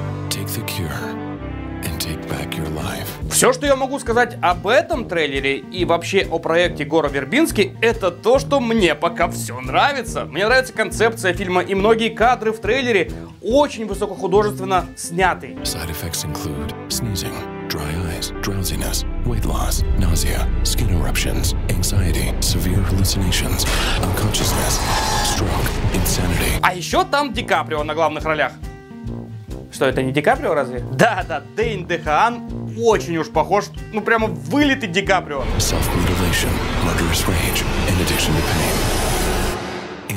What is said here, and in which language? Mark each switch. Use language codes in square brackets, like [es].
[en] Take the cure and take back your life. [ru] Все, что я могу сказать об этом трейлере и вообще о проекте Гора Вербински, это то, что мне пока все нравится. Мне нравится концепция фильма и многие кадры в трейлере очень высокохудожественно сняты. [en] Side effects include sneezing, dry eyes, drowsiness, weight loss, nausea, skin eruptions, anxiety, severe hallucinations, unconsciousness, stroke, insanity. [ru] А еще там Ди Каприо на главных ролях. Что, это не Ди Каприо разве? Да-да, Дэйн Дэхаан очень уж похож, ну прямо вылитый Ди Каприо. [en] Self-mutilation, murderous rage, and addiction to pain.